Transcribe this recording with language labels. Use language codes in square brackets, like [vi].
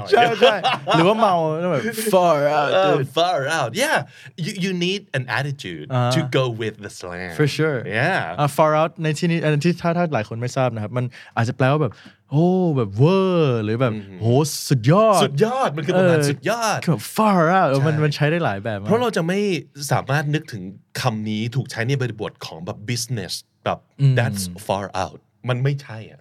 [th] ใช่ใช่หรือว่าเมาแบบ far out dude [en] far out yeah you need an attitude to go with the slang for sure yeah [th] far out ในที่นี้ที่ถ้าหลายคนไม่ทราบนะครับมันอาจจะแปลว่าแบบโอ้แบบเวอร์หรือแบบโหสุดยอด สุดยอดมันคือประมาณสุดยอด คือ far out มันใช้ได้หลายแบบ เพราะเราจะไม่สามารถนึกถึงคำนี้ถูกใช้ในบริบทของแบบ businessแบบ [en] that's far out [th] มันไม่ใช่อ่ะ